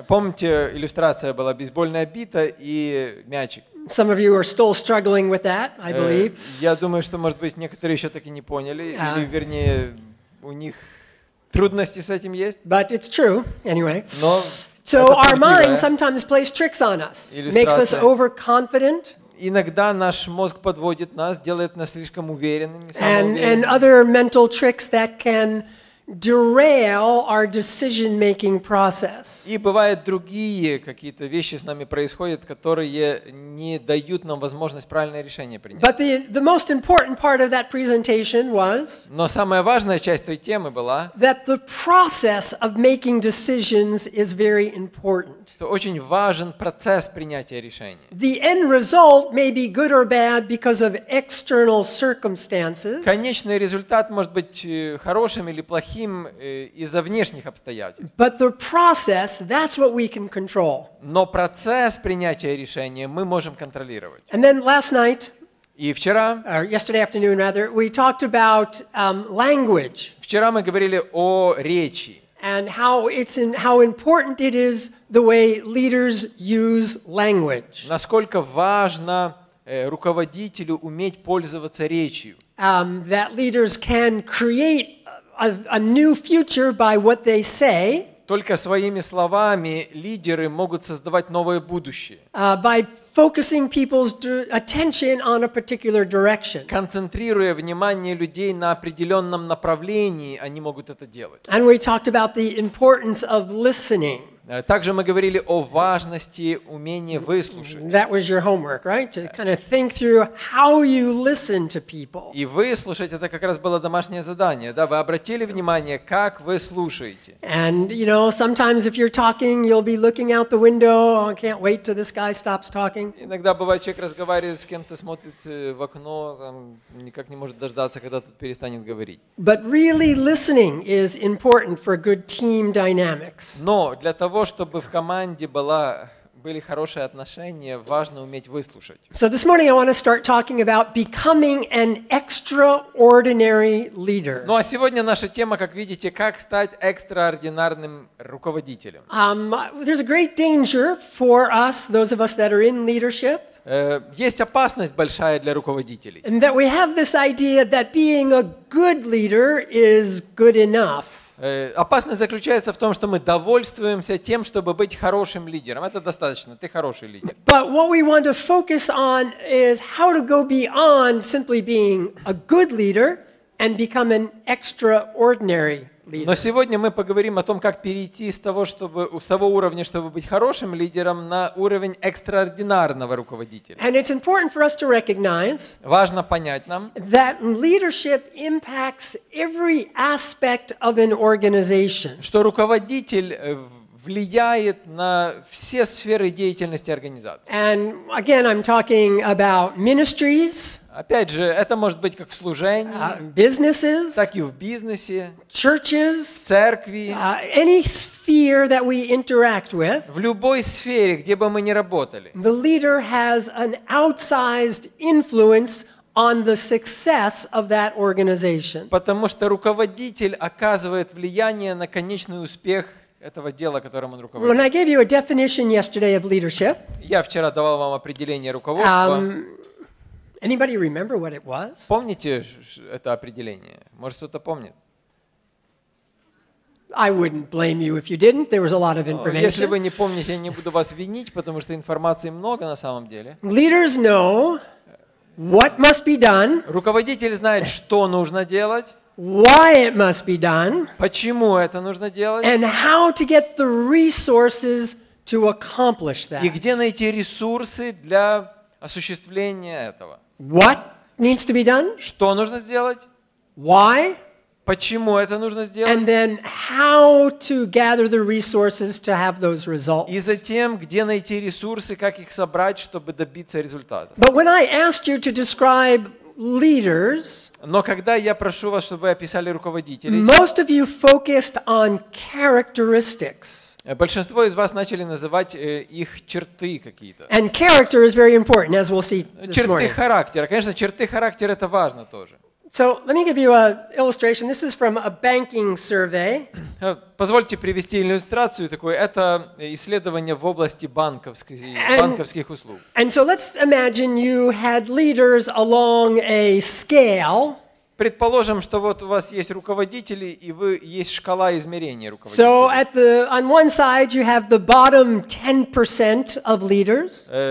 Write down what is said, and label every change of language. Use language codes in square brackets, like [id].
[ru] Помните, иллюстрация была бейсбольная бита и мячик. [en] Some of you are still struggling with that, I believe. [ru] Я думаю, что, может быть, некоторые еще так и не поняли, или, вернее, у них трудности с этим есть. [en] But it's true, anyway. [ru] Но [en] so our mind sometimes plays tricks on us, makes us overconfident. [ru] Иногда наш мозг подводит нас, делает нас слишком уверенными. [en] And other mental tricks that can derail our decision-making process. [ru] И бывают другие какие-то вещи с нами происходят, которые не дают нам возможность правильное решение принять. [en] But the most important part of that presentation was. [ru] Но самая важная часть той темы была. [en] That the process of making decisions is very important. [ru] Что очень важен процесс принятия решений. [en] The end result may be good or bad because of external circumstances. [ru] Конечный результат может быть хорошим или плохим. Из-за внешних обстоятельств. [en] But the process, that's what we can control. [ru] Но процесс принятия решения мы можем контролировать. [en] And then last night, [ru] и вчера, [en] or yesterday afternoon rather, we talked about language. [ru] Вчера мы говорили о речи. [en] And how important it is the way leaders use language. [ru] Насколько важно руководителю уметь пользоваться речью. [en] That leaders can create a new future by what they say. [ru] Только своими словами лидеры могут создавать новое будущее. [en] By focusing people's attention on a particular direction. [ru] Концентрируя внимание людей на определенном направлении, они могут это делать. [en] And we talked about the importance of listening. [ru] Также мы говорили о важности умения выслушать. [en] That was your homework, right? To kind of think through how you listen to people. [ru] И выслушать — это как раз было домашнее задание, да? Вы обратили внимание, как вы слушаете? [en] And you know, sometimes if you're talking, you'll be looking out the window. Oh, I can't wait till this guy stops talking. [ru] Иногда бывает, человек разговаривает с кем-то, смотрит в окно, там, никак не может дождаться, когда тот перестанет говорить. [en] But really, listening is important for good team dynamics. [ru] Но для того, чтобы в команде были хорошие отношения, важно уметь выслушать. [en] So this morning I want to start talking about becoming an extraordinary leader. [ru] Ну а сегодня наша тема, как видите, как стать экстраординарным руководителем. [en] There's a great danger for us, those of us that are in leadership. [ru] Есть опасность большая для руководителей. [en] And that we have this idea that being a good leader is good enough. [ru] Опасность заключается в том, что мы довольствуемся тем, чтобы быть хорошим лидером. Это достаточно, ты хороший лидер. [en] But what we want to focus on is how to go beyond simply being a good leader and become an extraordinary leader. [ru] Но сегодня мы поговорим о том, как перейти с того уровня, чтобы быть хорошим лидером, на уровень экстраординарного руководителя. [en] And it's important for us to recognize. [ru] Важно понять нам, [en] that leadership impacts every aspect of an organization. [ru] Что руководитель влияет на все сферы деятельности организации. [en] And again, I'm talking about ministries. [ru] Опять же, это может быть как в служении, [en] businesses, [ru] так и в бизнесе, [en] churches, [ru] в церкви, [en] any sphere that we interact with. [ru] В любой сфере, где бы мы ни работали. [en] The leader has an outsized influence on the success of that organization. [ru] Потому что руководитель оказывает влияние на конечный успех этого дела, которым он руководит. [en] When I gave you a definition yesterday of leadership, [ru] я вчера давал вам определение руководства. [en] Anybody remember what it was? [ru] Помните это определение? Может, кто-то помнит? [en] I wouldn't blame you if you didn't. There was a lot of information. [ru] Если вы не помните, я не буду вас винить, потому что информации много на самом деле. [en] Leaders know what must be done. [ru] Руководитель знает, что нужно делать. [en] Why it must be done? [ru] Почему это нужно делать? [en] And how to get the resources to accomplish that? [ru] И где найти ресурсы для осуществления этого? [en] What needs to be done? [ru] Что нужно сделать? [en] Why? [ru] Почему это нужно сделать? [en] And then how to gather the resources to have those results? [ru] И затем, где найти ресурсы, как их собрать, чтобы добиться результата? [en] But when I asked you to describe leaders. [ru] Но когда я прошу вас, чтобы вы описали руководителей. [en] Most of you focused on characteristics. [ru] Большинство из вас начали называть их черты какие-то. [en] And character is very important, as we'll see this morning. [ru] Черты характера, конечно, черты характера — это важно тоже. [en] So let me give you a illustration. This is from a banking survey. [ru] Позвольте привести иллюстрацию такую. Это исследование в области банковских услуг. [en] And so let's imagine you had leaders along a scale. [ru] Предположим, что вот у вас есть руководители, и есть шкала измерения руководителей. [en] So at the on one side you have the bottom 10% of leaders.